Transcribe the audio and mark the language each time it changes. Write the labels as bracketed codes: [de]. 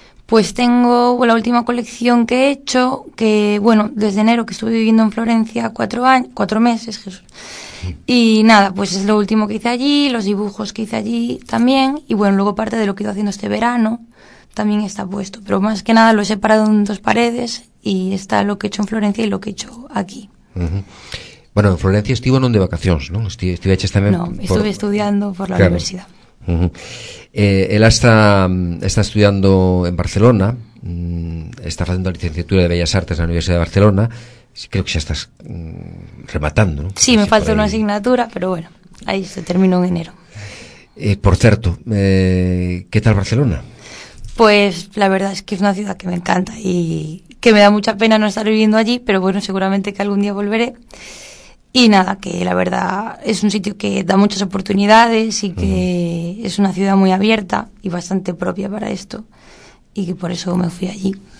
[es] Pues tengo la última colección que he hecho, que bueno, desde enero que estuve viviendo en Florencia 4 meses, Jesús. Y nada, pues es lo último que hice allí, los dibujos que hice allí también, y bueno, luego parte de lo que he ido haciendo este verano también está puesto, pero más que nada lo he separado en dos paredes y está lo que he hecho en Florencia y lo que he hecho aquí. [gl] Bueno, en Florencia estivo non de vacacións, non? Estive hechas tamén... [es] Estudiando por la universidad. [gl] Ela está estudiando en Barcelona, está facendo a licenciatura de Bellas Artes na Universidade de Barcelona, creo que xa estás rematando, non? [es] Sí, me falta [gl] unha asignatura, [es] pero bueno, aí se termino en enero. [gl] Por certo, que tal Barcelona? [es] Pues la verdad es que es una ciudad que me encanta y que me da mucha pena no estar viviendo allí, pero bueno, seguramente que algún día volveré. Y nada, que la verdad es un sitio que da muchas oportunidades y que es una ciudad muy abierta y bastante propia para esto, y que por eso me fui allí.